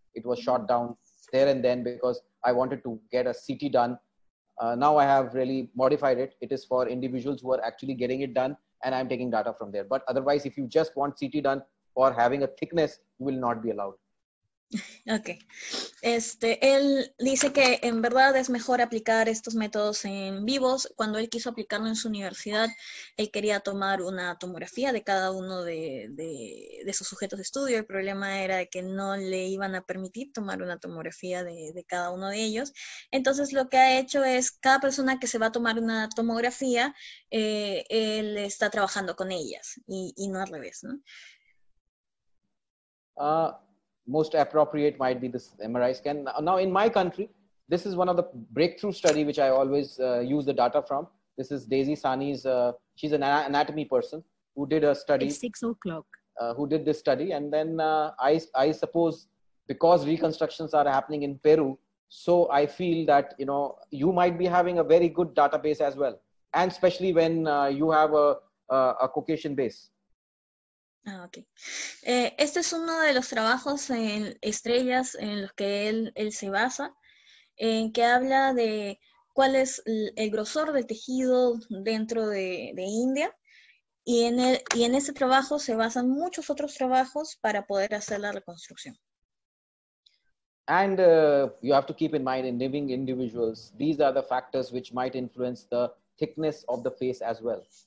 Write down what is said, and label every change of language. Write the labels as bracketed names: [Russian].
[English] It was shot down there and then because I wanted to get a CT done. Now I have really modified it. It is for individuals who are actually getting it done, and I'm taking data from there. But otherwise, if you just want CT done for having a thickness, you will not be allowed. Okay. [Spanish] Él dice que en verdad es mejor aplicar estos métodos en vivos. Cuando él quiso aplicarlo en su universidad, él quería tomar una tomografía de cada uno de sus sujetos de estudio. El problema era que no le iban a permitir tomar una tomografía de cada uno de ellos. Entonces lo que ha hecho es, cada persona que se va a tomar una tomografía, él está trabajando con ellas y no al revés, ¿no? [English] Most appropriate might be this MRI scan. Now, in my country, this is one of the breakthrough study which I always use the data from. This is Daisy Sani's, she's an anatomy person who did a study. It's 6 o'clock. Who did this study. And then I suppose because reconstructions are happening in Peru, so I feel that, you know, you might be having a very good database as well. And especially when you have a Caucasian base. Ah, okay. [Spanish] Este es uno de los trabajos en estrellas en los que él se basa, en que habla de cuál es el grosor del tejido dentro de India. Y en el, y en ese trabajo se basan muchos otros trabajos para poder hacer la reconstrucción. [English] And you have to keep in mind, in living individuals, these are the factors which might influence the thickness of the face as well.